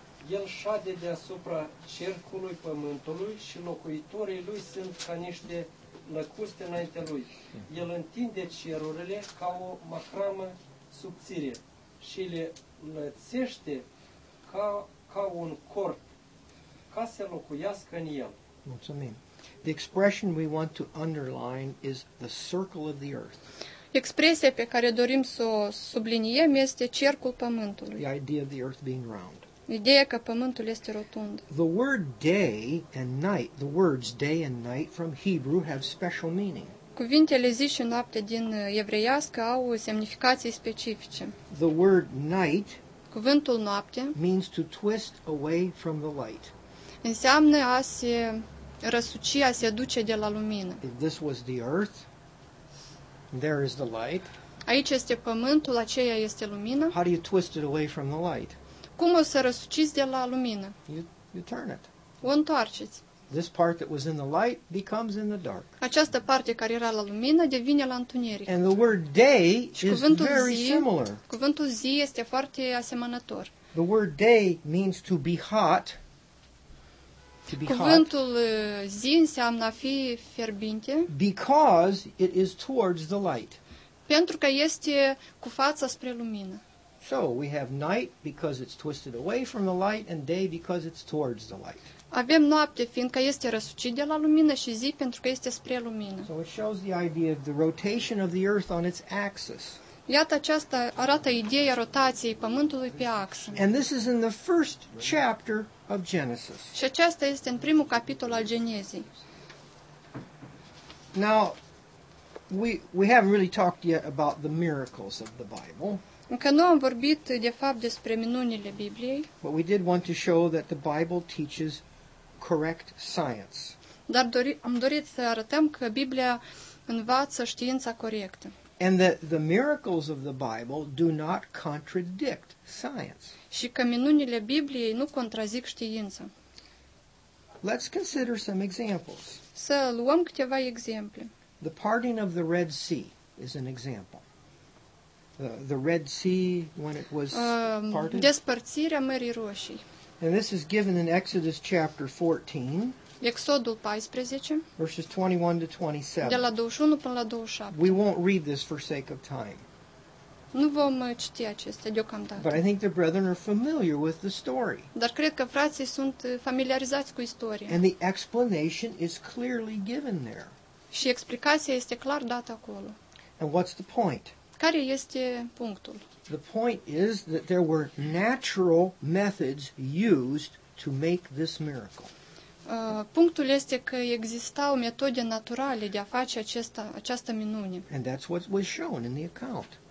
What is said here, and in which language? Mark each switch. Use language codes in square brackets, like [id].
[ro] El șade deasupra cercului pământului și locuitorii lui sunt ca niște lăcuste înainte lui. El întinde cerurile ca o macramă subțire și le lățește ca un cort, ca să locuiască în el. Mulțumim. [en] The expression we want to underline is the circle of the earth. [ro] Expresia pe care dorim să o subliniem este cercul pământului. [en] The idea of the earth being round. [ro] Ideea că pământul este rotund. [en] The word day and night, the words day and night from Hebrew have special meaning. [ro] Cuvintele zi și noapte din evreiască au semnificații specifice. [en] The word night, [ro] cuvântul noapte, [en] means to twist away from the light. [ro] Înseamnă a se răsuci, a se duce de la lumină. [en] If this was the earth, there is the light. [ro] Aici este pământul, aceea este lumina. [en] How do you twist it away from the light? [ro] Cum o să răsuciți de la lumină? [en] You turn it. [ro] O întoarceți. [en] This part that was in the light becomes in the dark. [ro] Această parte care era la lumină devine la întuneric. [en] And the word day is very similar. [ro] Cuvântul zi este foarte asemănător. [en] The word day means to be hot. To be [ro] cuvântul [en] hot. [ro] Zi înseamnă a fi fierbinte. [en] Because it is towards the light. [ro] Pentru că este cu fața spre lumină. [en] So we have night because it's twisted away from the light and day because it's towards the light. [ro] Avem noapte fiindcă este răsucit de la lumină și zi pentru că este spre lumină. [en] So it shows the idea of the rotation of the earth on its axis. [ro] Iată aceasta arată ideea rotației pământului pe axă. [en] And this is in the first chapter of Genesis. [ro] Și aceasta este în primul capitol al Genezii. [en] Now we haven't really talked yet about the miracles of the Bible. [ro] Încă nu am vorbit de fapt despre minunile Bibliei. [en] But we did want to show that the Bible teaches correct science. [ro] Dar am dorit să arătăm că Biblia învață știința corectă. [en] And that the miracles of the Bible do not contradict science. [ro] Și că minunile Bibliei nu contrazic știința. [en] Let's consider some examples. [ro] Să luăm câteva exemple. [en] The parting of the Red Sea is an example. The Red Sea when it was parted. [ro] Despărțirea Mării Roșii. [en] And this is given in Exodus chapter 14. [ro] Exodul 14. [en] Verses 21 to 27. [ro] De la 21 până la 27. [en] We won't read this for sake of time. [ro] Nu vom citi acestea deocamdată. [en] But I think the brethren are familiar with the story. [ro] Dar cred că frații sunt familiarizați cu istoria. [en] And the explanation is clearly given there. [ro] Și explicația este clar dată acolo. [en] And what's the point? [ro] Care este punctul? [en] The point is that there were natural methods used to make this miracle. [ro] Punctul este că existau metode naturale de a face această minune. [en] And that's what was shown in the account.